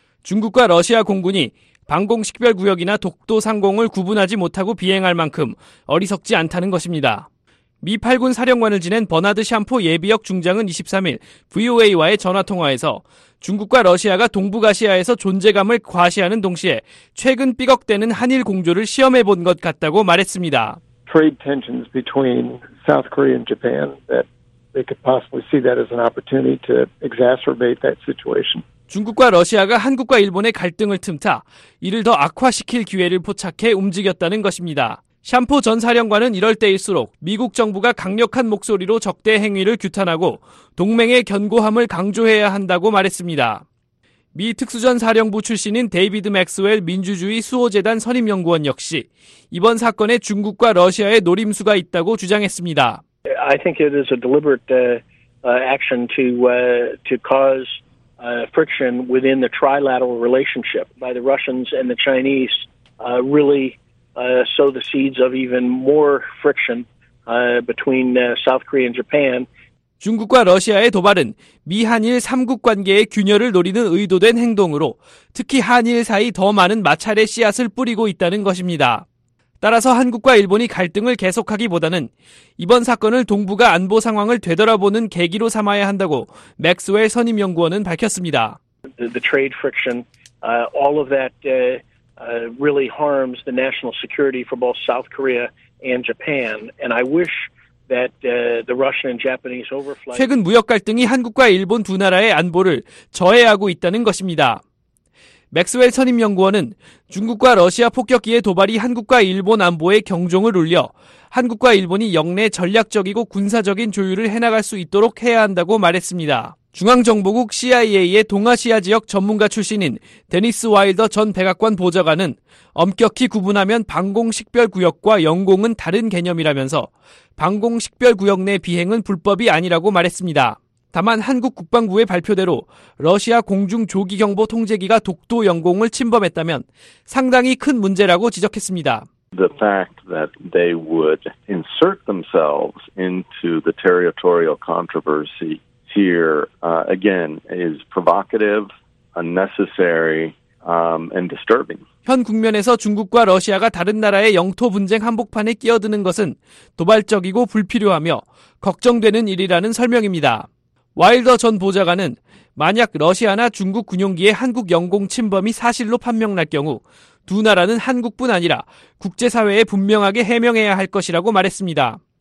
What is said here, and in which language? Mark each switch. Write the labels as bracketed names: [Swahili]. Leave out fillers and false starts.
[Korean] 중국과 러시아 공군이 방공식별구역이나 독도 상공을 구분하지 못하고 비행할 만큼 어리석지 않다는 것입니다. 미 8군 사령관을 지낸 버나드 샴포 예비역 중장은 23일 VOA와의 전화통화에서 중국과 러시아가 동북아시아에서 존재감을 과시하는 동시에 최근 삐걱대는 한일 공조를 시험해 본 것 같다고 말했습니다. [English] Trade tensions between South Korea and Japan that they could possibly see that as an opportunity to exacerbate that situation. [Korean] 중국과 러시아가 한국과 일본의 갈등을 틈타 이를 더 악화시킬 기회를 포착해 움직였다는 것입니다. 샴포 전 사령관은 이럴 때일수록 미국 정부가 강력한 목소리로 적대 행위를 규탄하고 동맹의 견고함을 강조해야 한다고 말했습니다. 미 특수전 사령부 출신인 데이비드 맥스웰 민주주의 수호재단 선임연구원 역시 이번 사건에 중국과 러시아의 노림수가 있다고 주장했습니다. [English] I think it is a deliberate action to cause friction within the trilateral relationship by the Russians and the Chinese really sow the seeds of even more friction between South Korea and Japan. [Korean] 중국과 러시아의 도발은 미한일 3국 관계의 균열을 노리는 의도된 행동으로 특히 한일 사이 더 많은 마찰의 씨앗을 뿌리고 있다는 것입니다. 따라서 한국과 일본이 갈등을 계속하기보다는 이번 사건을 동북아 안보 상황을 되돌아보는 계기로 삼아야 한다고 맥스웰 선임 연구원은 밝혔습니다. [English] The trade friction, all of that really harms the national security for both South Korea and Japan. And I wish that the Russian and Japanese overflight. [Korean] 최근 무역 갈등이 한국과 일본 두 나라의 안보를 저해하고 있다는 것입니다. 맥스웰 선임연구원은 중국과 러시아 폭격기의 도발이 한국과 일본 안보에 경종을 울려 한국과 일본이 역내 전략적이고 군사적인 조율을 해나갈 수 있도록 해야 한다고 말했습니다. 중앙정보국 CIA의 동아시아 지역 전문가 출신인 데니스 와일더 전 백악관 보좌관은 엄격히 구분하면 방공식별구역과 영공은 다른 개념이라면서 방공식별구역 내 비행은 불법이 아니라고 말했습니다. 다만 한국 국방부의 발표대로 러시아 공중 조기경보 통제기가 독도 영공을 침범했다면 상당히 큰 문제라고 지적했습니다. [English] The fact that they would insert themselves into the territorial controversy here again is provocative, unnecessary, and disturbing. [Korean] 현 국면에서 중국과 러시아가 다른 나라의 영토 분쟁 한복판에 끼어드는 것은 도발적이고 불필요하며 걱정되는 일이라는 설명입니다. 와일더 전 보좌관은 만약 러시아나 중국 군용기의 한국 영공 침범이 사실로 판명날 경우 두 나라는 한국뿐 아니라 국제사회에 분명하게 해명해야 할 것이라고 말했습니다.